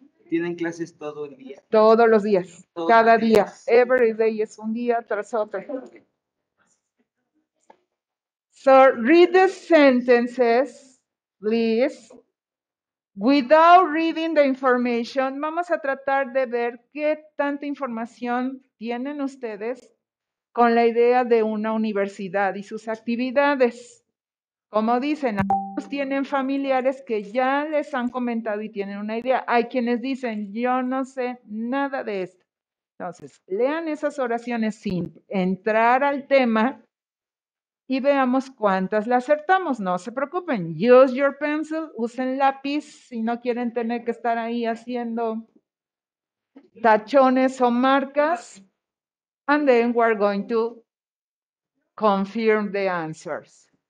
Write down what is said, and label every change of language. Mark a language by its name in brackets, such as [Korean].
[Spanish] Tienen clases todo el día. Todos los días. Cada día. [English] Every day [Spanish] es un día tras otro. [English] So read the sentences, please, without reading the information. [Spanish] Vamos a tratar de ver qué tanta información tienen ustedes con la idea de una universidad y sus actividades. Como dicen, algunos tienen familiares que ya les han comentado y tienen una idea. Hay quienes dicen, yo no sé nada de esto. Entonces, lean esas oraciones sin entrar al tema. Y veamos cuántas le acertamos. No se preocupen. [English] Use your pencil. [Spanish] Usen lápiz si no quieren tener que estar ahí haciendo tachones o marcas. [English] And then we're going to confirm the answers.